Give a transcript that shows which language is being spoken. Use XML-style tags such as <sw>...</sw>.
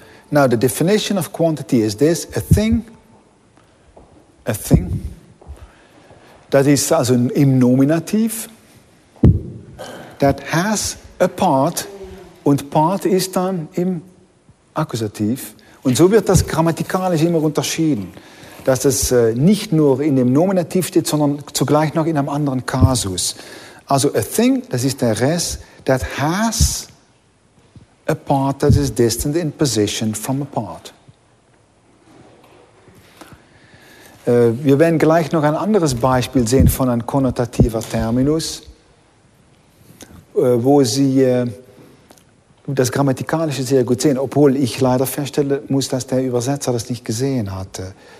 <en>Now, the definition of quantity is this: a thing, that is also</en> <de>im Nominativ,</de> <en>that has a part,</en> <de>und part ist dann im Akkusativ. Und so wird das grammatikalisch immer unterschieden, dass es nicht nur in dem Nominativ steht, sondern zugleich noch in einem anderen Kasus.</de> <en>Also a thing,</en> <de>das ist der Res,</de> <en>that has a part that is distant in position from a part.</en> <de>Wir werden gleich noch ein anderes Beispiel sehen von einem konnotativer Terminus, wo Sie das Grammatikalische sehr gut sehen, obwohl ich leider feststellen muss, dass der Übersetzer das nicht gesehen hatte.</de>